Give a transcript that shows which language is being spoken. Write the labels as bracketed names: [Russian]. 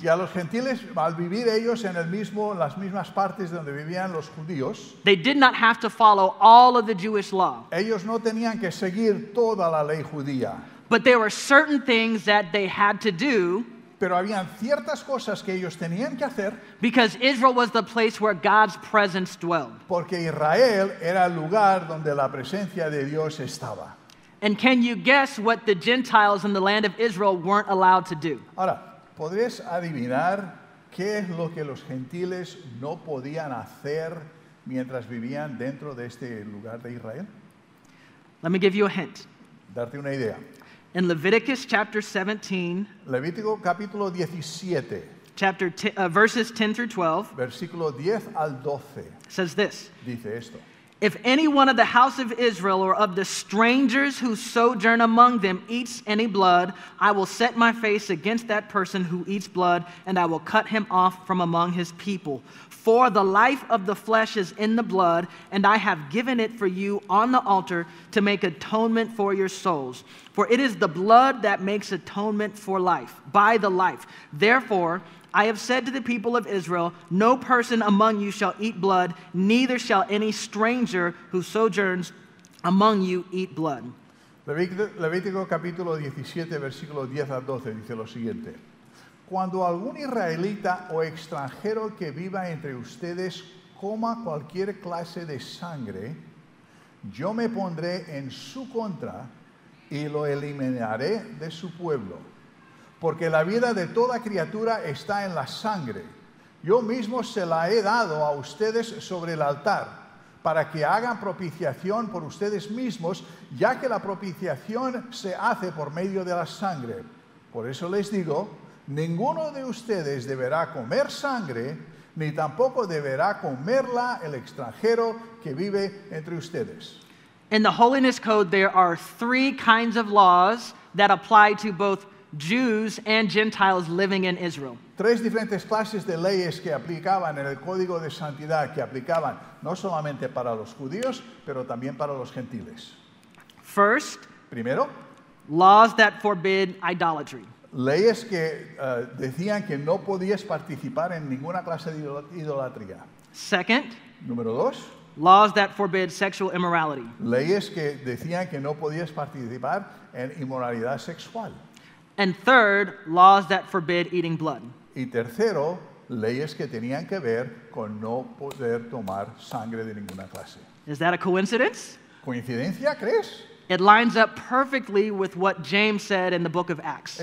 [Spanish] y a los gentiles, al vivir ellos en el mismo, las mismas partes donde vivían los judíos, [English] they did not have to follow all of the Jewish law. [Spanish] Ellos no tenían que seguir toda la ley judía. [English] But there were certain things that they had to do. [Spanish] Pero habían ciertas cosas que ellos tenían que hacer. [English] Because Israel was the place where God's presence dwelled. [Spanish] Porque Israel era el lugar donde la presencia de Dios estaba. [English] And can you guess what the Gentiles in the land of Israel weren't allowed to do? [Spanish] Ahora, ¿podrías adivinar qué es lo que los gentiles no podían hacer mientras vivían dentro de este lugar de Israel? [English] Let me give you a hint. [Spanish] Darte una idea. [English] In Leviticus chapter 17, [Spanish] Levítico capítulo 17, [English] verses 10 through 12, [Spanish] versículo 10 al 12, [English] says this. [Spanish] Dice esto. [English] If any one of the house of Israel or of the strangers who sojourn among them eats any blood, I will set my face against that person who eats blood, and I will cut him off from among his people. For the life of the flesh is in the blood, and I have given it for you on the altar to make atonement for your souls. For it is the blood that makes atonement for life, by the life. Therefore, I have said to the people of Israel, no person among you shall eat blood, neither shall any stranger who sojourns among you eat blood. [Spanish] Levítico capítulo 17, versículo 10 al 12, dice lo siguiente. Cuando algún israelita o extranjero que viva entre ustedes coma cualquier clase de sangre, yo me pondré en su contra y lo eliminaré de su pueblo. Porque la vida de toda criatura está en la sangre. Yo mismo se la he dado a ustedes sobre el altar, para que hagan propiciación por ustedes mismos, ya que la propiciación se hace por medio de la sangre. Por eso les digo, ninguno de ustedes deberá comer sangre, ni tampoco deberá comerla el extranjero que vive entre ustedes. [English] In the Holiness Code, there are three kinds of laws that apply to both Jews and Gentiles living in Israel. [Spanish] Tres diferentes clases de leyes que aplicaban en el código de santidad que aplicaban no solamente para los judíos, pero también para los gentiles. [English] First, [Spanish] primero, [English] laws that forbid idolatry. [Spanish] Leyes que decían que no podías participar en ninguna clase de idolatría. [English] Second, [Spanish] número dos, [English] laws that forbid sexual immorality. [Spanish] Leyes que decían que no podías participar en inmoralidad sexual. [English] And third, laws that forbid eating blood. [Spanish] Y tercero, leyes que tenían que ver con no poder tomar sangre de ninguna clase. [English] Is that a coincidence? [Spanish] ¿Coincidencia, crees? [English] It lines up perfectly with what James said in the book of Acts.